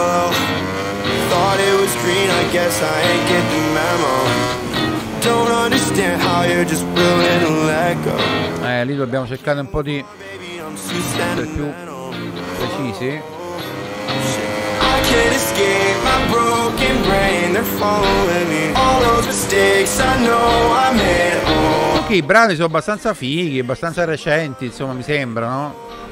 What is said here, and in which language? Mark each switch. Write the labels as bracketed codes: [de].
[en] Thought it was green, I guess I ain't get the memo. Don't understand how you're just willing to let go. [it] Lì dobbiamo cercare un po' di essere più precisi. [en] I can't escape my broken brain, they're following me. All those mistakes I know I made. [it] Ok, i brani sono abbastanza fighi, abbastanza recenti, insomma, mi sembra, no?